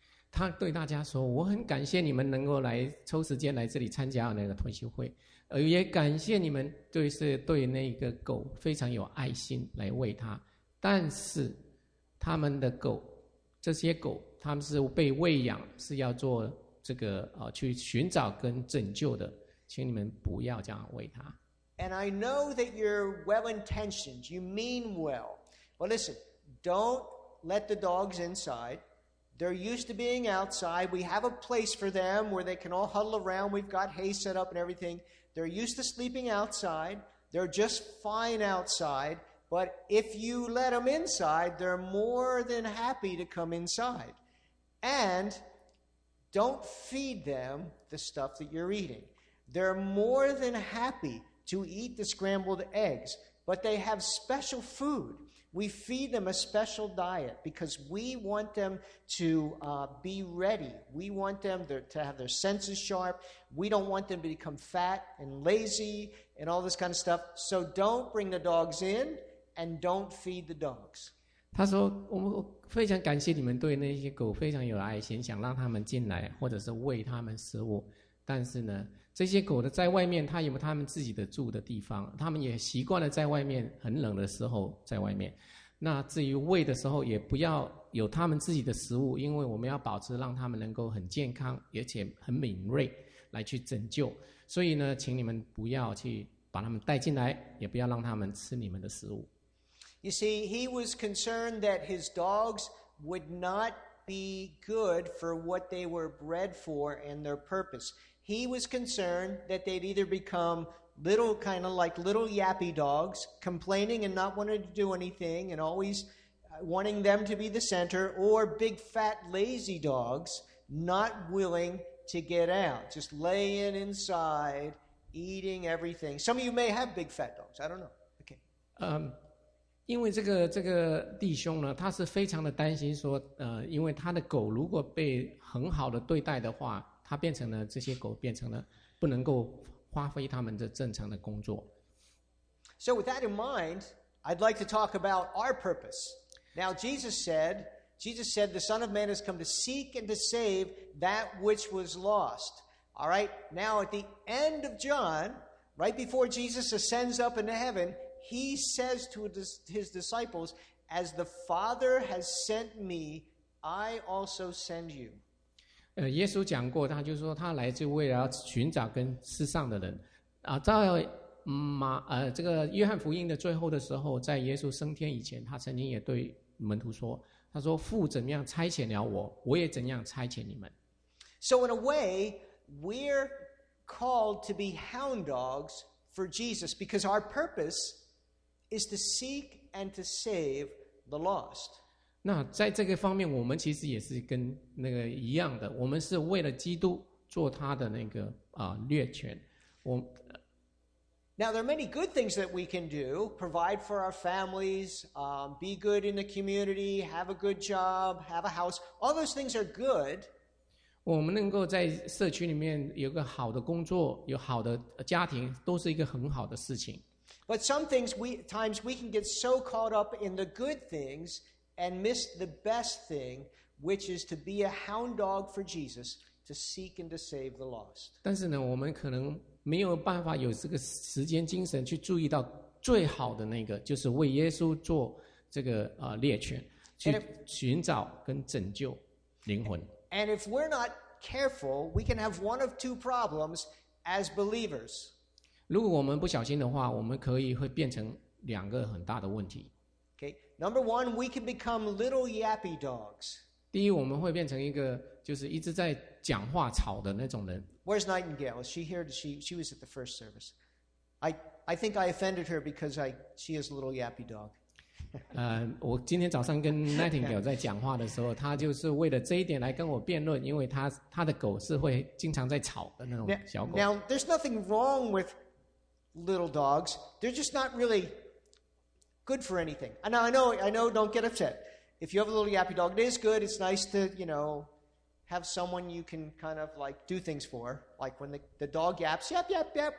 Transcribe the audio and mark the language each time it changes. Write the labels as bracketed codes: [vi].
[zh] 他对大家说，我很感谢你们能够来抽时间来这里参加那个同修会，而也感谢你们对是对那个狗非常有爱心来喂它，但是他们的狗，这些狗他们是被喂养，是要做这个去寻找跟拯救的，请你们不要这样喂它。 [en] And I know that you're well-intentioned. You mean well. But listen, don't let the dogs inside. They're used to being outside. We have a place for them where they can all huddle around. We've got hay set up and everything. They're used to sleeping outside. They're just fine outside. But if you let them inside, they're more than happy to come inside. And don't feed them the stuff that you're eating. They're more than happy to eat the scrambled eggs, but they have special food. We feed them a special diet because we want them to be ready. We want them to have their senses sharp. We don't want them to become fat and lazy and all this kind of stuff. So don't bring the dogs in and don't feed the dogs. [zh] 他说，我非常感谢你们对那些狗非常有爱心，想让他们进来或者是喂他们食物，但是呢这些狗的在外面，它有他们自己的住的地方，他们也习惯了在外面很冷的时候在外面。那至于喂的时候，也不要有他们自己的食物，因为我们要保持让他们能够很健康，而且很敏锐来去拯救。所以呢，请你们不要去把他们带进来，也不要让他们吃你们的食物。 [en] You see, he was concerned that his dogs would not be good for what they were bred for and their purpose. He was concerned that they'd either become little, kind of like little yappy dogs, complaining and not wanting to do anything and always wanting them to be the center, or big, fat, lazy dogs, not willing to get out, just laying inside, eating everything. Some of you may have big, fat dogs. I don't know. Okay. [zh] 因为这个弟兄呢，他是非常的担心说，因为他的狗如果被很好的对待的话，他变成了这些狗变成了不能够发挥他们的正常的工作。 [en] So with that in mind, I'd like to talk about our purpose. Now Jesus said, the Son of Man has come to seek and to save that which was lost. All right. Now at the end of John, right before Jesus ascends up into heaven, he says to his disciples, "As the Father has sent me, I also send you." [zh] 耶稣讲过，他就说他来就为了寻找跟世上的人，在这个约翰福音的最后的时候，在耶稣升天以前，他曾经也对门徒说，他说父怎样差遣了我，我也怎样差遣你们。 [en] So in a way, we're called to be hound dogs for Jesus because our purpose is to seek and to save the lost. [zh] 那在这个方面，我们其实也是跟那个一样的，我们是为了基督做他的那个猎犬。 [en] Now there are many good things that we can do: provide for our families, be good in the community, have a good job, have a house. All those things are good. [zh] 我们能够在社区里面有个好的工作，有好的家庭，都是一个很好的事情。 [en] But some things we can get so caught up in the good things. And miss the best thing, which is to be a hound dog for Jesus, to seek and to save the lost. [zh] 但是呢，我们可能没有办法有这个时间精神去注意到最好的那个，就是为耶稣做这个猎犬，去寻找跟拯救灵魂。 [en] And if we're not careful, we can have one of two problems as believers. [zh] 如果我们不小心的话，我们可以会变成两个很大的问题。 [en] Okay. Number one, we can become little yappy dogs. [zh] 第一，我们会变成一个就是一直在讲话吵的那种人。 [en] Where's Nightingale? Is she here? She was at the first service. I think I offended her because she is a little yappy dog. [zh] 我今天早上跟 Nightingale 在讲话的时候，他就是为了这一点来跟我辩论，因为他的狗是会经常在吵的那种小狗。 [en] Now there's nothing wrong with little dogs. They're just not really. Good for anything. Now, I know, don't get upset. If you have a little yappy dog, it is good. It's nice to, you know, have someone you can kind of like do things for. Like when the dog yaps, yap, yap, yap.